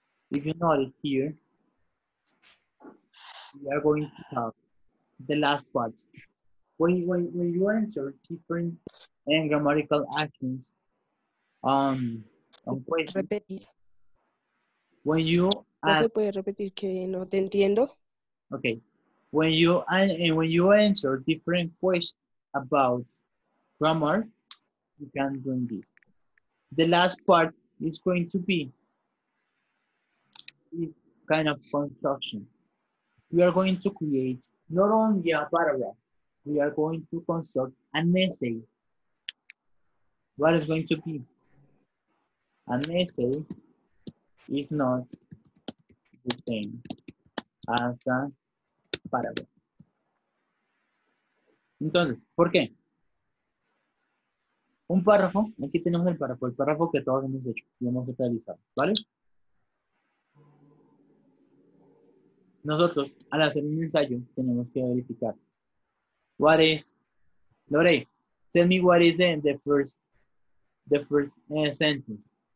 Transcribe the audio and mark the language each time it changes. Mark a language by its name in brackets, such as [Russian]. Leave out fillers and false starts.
[English] If you notice here, we are going to have the last part. When you answer different and grammatical actions on questions. [Spanish] Repetir. [English] When you [Spanish] ask, ¿se puede repetir que no te entiendo? [English] Okay. When you answer different questions about grammar, you can do this. The last part is going to be this kind of construction. We are going to create not only a paragraph. We are going to construct an essay. What is going to be? An essay is not the same as a paragraph. [Spanish] Entonces, ¿por qué? Un párrafo, aquí tenemos el párrafo que todos hemos hecho y hemos realizado, ¿vale? nosotros, al hacer un ensayo, tenemos que verificar. [English] What is, Lore, tell me what is in the first sentence.